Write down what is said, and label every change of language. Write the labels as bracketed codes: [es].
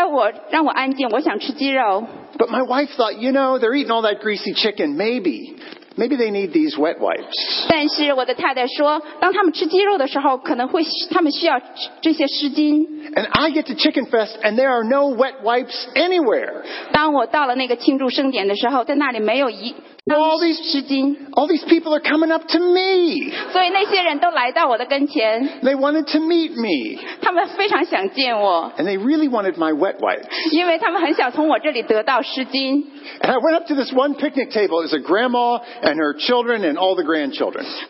[zh] 因为当时很多人都会想，离开我，让我安静，我想吃鸡肉。 [en] But my wife thought, you know, they're eating all that greasy chicken, maybe. Maybe they need these wet wipes. [zh] 但是我的太太说，当他们吃鸡肉的时候，可能会他们需要这些湿巾。 [en] And I get to Chicken Fest, and there are no wet wipes anywhere. [zh] 当我到了那个庆祝盛典的时候，在那里没有湿巾。 [en] All these people are coming up to me. [zh] 所以那些人都来到我的跟前。 [en] They wanted to meet me. [zh] 他们非常想见我。 [en] And they really wanted my wet wipes. [zh] 因为他们很想从我这里得到湿巾。 [en] And I went up to this one picnic table. It was a grandma and her children and all the grandchildren.